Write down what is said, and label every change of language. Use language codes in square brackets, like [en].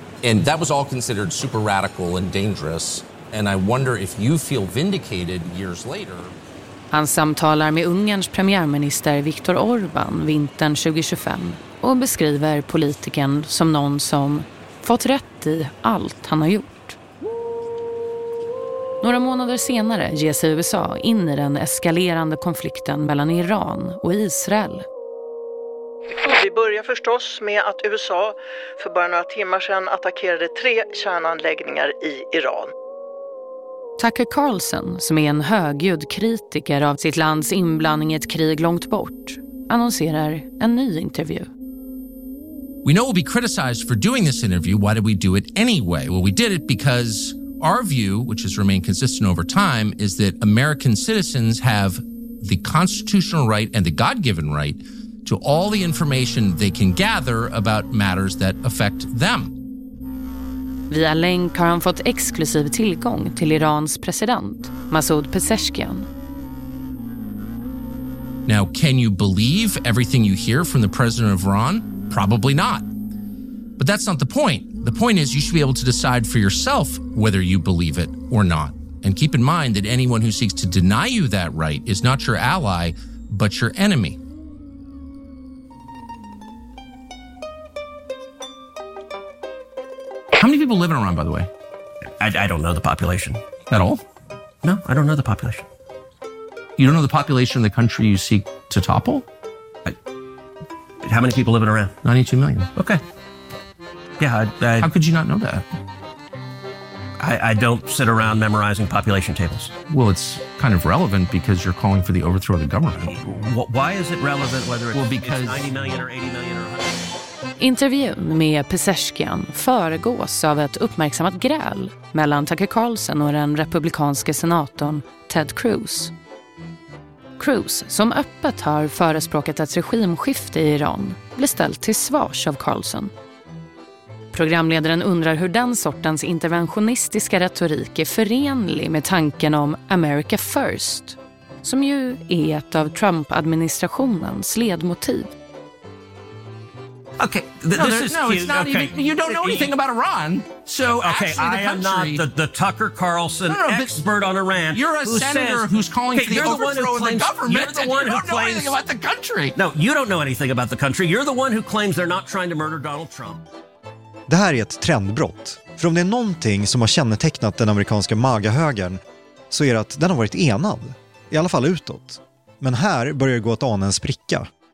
[en] And that was all considered super radical and dangerous. And I wonder if you feel vindicated years later. [sv] Han samtalar med Ungerns premiärminister Viktor Orbán vintern 2025 och beskriver politikern som någon som fått rätt i allt han har gjort. Några månader senare ger sig USA in i den eskalerande konflikten mellan Iran och Israel. Vi börjar förstås med att USA för bara några timmar sedan attackerade 3 kärnanläggningar i Iran. Tucker Carlson, som är en högljudd kritiker av sitt lands inblandning i ett krig långt bort, annonserar en ny intervju. [en] We know we'll be criticized for doing this interview. Why did we do it anyway? Well, we did it because our view, which has remained consistent over time, is that American citizens have the constitutional right and the God-given right to all the information they can gather about matters that affect them. [sv] Via länk har han fått exklusiv tillgång till Irans president, Masoud Pezeshkian. [en] Now, can you believe everything you hear from the president of Iran? Probably not. But that's not the point. The point is you should be able to decide for yourself whether you believe it or not. And keep in mind that anyone who seeks to deny you that right is not your ally, but your enemy. How many people live in Iran, by the way? I don't know the population. At all? No, I don't know the population. You don't know the population of the country you seek to topple? How many people live in Iran? 92 million. Okay. Yeah, How could you not know that? I don't sit around memorizing population tables. Well, it's kind of relevant because you're calling for the overthrow of the government. Why is it relevant whether it's 90 million or 80 million or 100 million? [sv] Intervjun med Pezeshkian föregås av ett uppmärksammat gräl mellan Tucker Carlson och den republikanske senatorn Ted Cruz. Cruz, som öppet har förespråkat ett regimskifte i Iran, blir ställt till svars av Carlson. Programledaren undrar hur den sortens interventionistiska retorik är förenlig med tanken om America First, som ju är ett av Trump-administrationens ledmotiv. [en] Okay, this is cute. You don't know anything about Iran. So okay, actually, I am not the Tucker Carlson expert on Iran. You're a senator who's calling for the overthrow of the government. You don't know anything about the country. No, you don't know anything about the country. You're the one who claims they're not trying to murder Donald Trump. [sv] Det här är ett trendbrott. För om det är någonting som har kännetecknat den amerikanska MAGA-högern så är det att den har varit enad. I alla fall utåt. Men här börjar det gå att ana en spricka.